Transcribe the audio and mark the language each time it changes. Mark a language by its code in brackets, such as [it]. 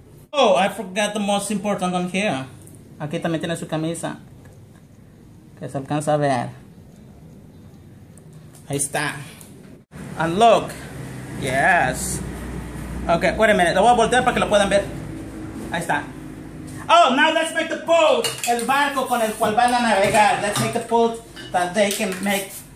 [en] Oh, I forgot the most important on here. [es] Aquí también tiene su camisa. Que se alcanza a ver. Ahí está. [en] And look. Yes. Okay, wait a minute. [es] Lo voy a voltear para que lo puedan ver. Ahí está. [en] Oh, now let's make the boat. [es] El barco con el cual van a navegar. [en] Let's make the boat that they can make.